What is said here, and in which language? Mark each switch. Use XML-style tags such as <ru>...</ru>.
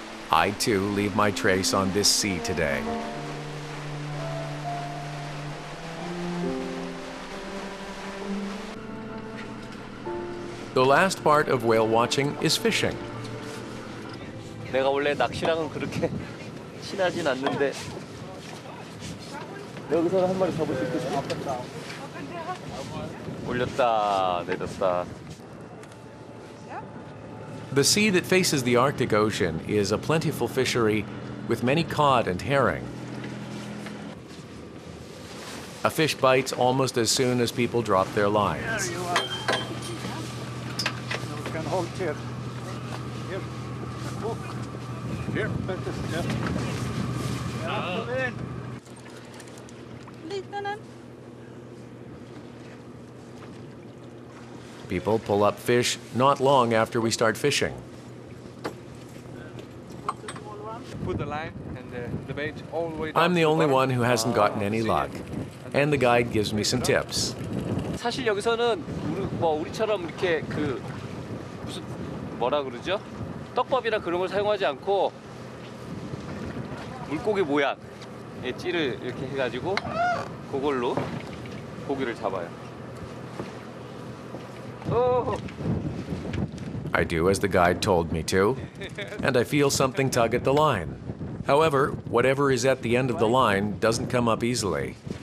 <en>I too leave my trace on this sea today. The last part of whale watching is fishing.</en> <ko>내가 원래 낚시랑은 그렇게 친하진 않는데 여기서 한 마리 잡을 수 있겠어? 올렸다, 내렸다.</ko> <en>The sea that faces the Arctic Ocean is a plentiful fishery with many cod and herring. A fish bites almost as soon as people drop their lines. People pull up fish not long after we start fishing. Put the line and the bait all the way down. I'm the only one who hasn't gotten any luck, and the guide gives me some tips.</en> <ko>사실 여기서는 우리처럼 이렇게 그 뭐라 그러죠? 떡밥이나 그런 걸 사용하지 않고 물고기 모양의 찌를 이렇게 해가지고 그걸로 고기를 잡아요.</ko> <en>I do as the guide told me to, and I feel something tug at the line. However, whatever is at the end of the line doesn't come up easily.</en>